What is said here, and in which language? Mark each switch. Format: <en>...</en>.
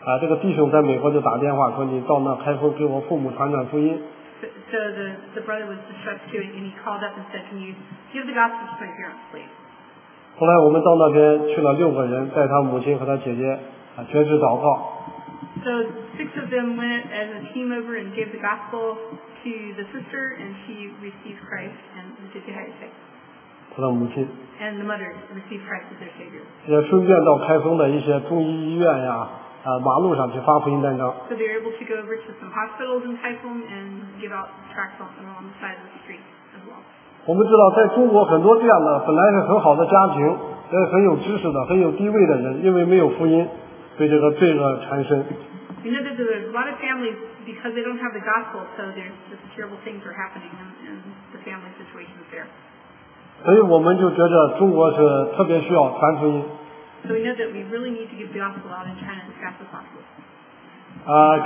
<zh>这个弟兄在美国就打电话说，你到那开封给我父母传传福音。</zh> <en>So the brother was distressed too, and he called up and said, "Can you give the gospel to my parents, please?"</en> <zh>后来我们到那边去了6个人，带他母亲和他姐姐，绝志祷告。So</zh> <en>6 of them went as a team over and gave the gospel to the sister, and she received Christ and did the highest thing.</en> <zh>他的母亲。And</zh> <en>the mother received Christ as their savior.</en> <zh>也顺便到开封的一些中医医院呀。</zh> <en>So they were able to go over to some hospitals in Kaifeng and give out tracts along the side of the street as well.</en> <zh>我们知道，在中国很多这样的本来是很好的家庭，很有知识的、很有地位的人，因为没有福音，被这个罪恶缠身。</zh> <en>You know, there's a lot of families, because they don't have the gospel, so there's just terrible things are happening in the family situations there.</en> <zh>所以我们就觉得中国是特别需要传福音。</zh> <en>So we know that we really need to give the gospel out in China as fast as possible.</en>